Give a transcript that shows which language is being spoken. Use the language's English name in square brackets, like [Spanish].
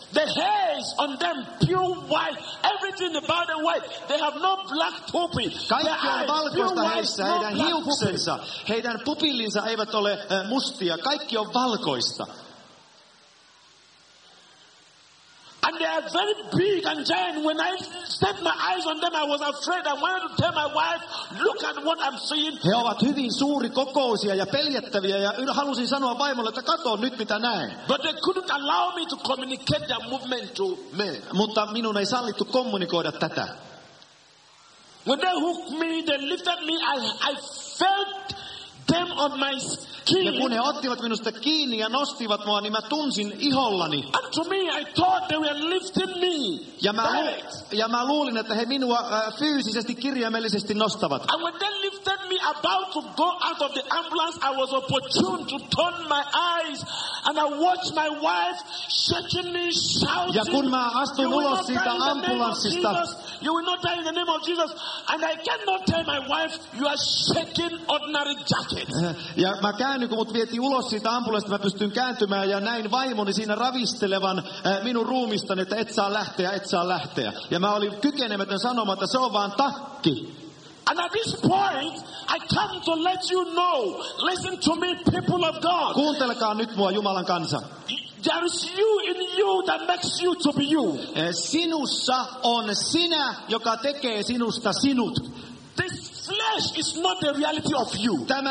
[English] The hairs on them pure white, everything about them white. They have no black pupil. [Finnish] Kaikki on valkoista heissä, heidän hiuksensa, heidän pupillinsa eivät ole mustia. Kaikki on valkoista. [English] And they are very big and giant. When I set my eyes on them, I was afraid. I wanted to tell my wife, "Look at what I'm seeing." [Finnish] He ovat hyvin suuri kokoisia ja peljättäviä, ja halusin sanoa vaimolle, että katso nyt mitä näen. [English] But they couldn't allow me to communicate their movement to me. [Finnish] Mutta minun ei sallittu kommunikoida tätä. [English] When they hooked me, they lifted me, I felt them on my skin. [Finnish] Ja kun he ottivat minusta kiinni ja nostivat mua, niin mä tunsin ihollani. [English] And to me, I thought they were lifting me. [Finnish] Ja mä luulin, että he minua fyysisesti, kirjaimellisesti nostavat. [English] And when they lifted me about to go out of the ambulance, I was opportune to turn my eyes and I watched my wife shaking me, shouting. [Finnish] Ja kun mä astuin ulos siitä ambulanssista. [English] "You will not die in the name of Jesus." And I cannot tell my wife, "You are shaking ordinary jacket." [Finnish] Ja mä käännyin, kun mut vietiin ulos siitä ambulanssista, mä pystyin kääntymään ja näin vaimoni siinä ravistelevan minun ruumistani, että et saa lähteä, et saa lähteä. Ja mä olin kykenemätön sanomaan, että se on vaan takki. [English] And at this point, I come to let you know. Listen to me, people of God. [Finnish] Kuuntelkaa nyt mua, Jumalan kansa. [English] There is you in you that makes you to be you. [Finnish] Sinussa on sinä, joka tekee sinusta sinut. [English] This flesh is not the reality of you.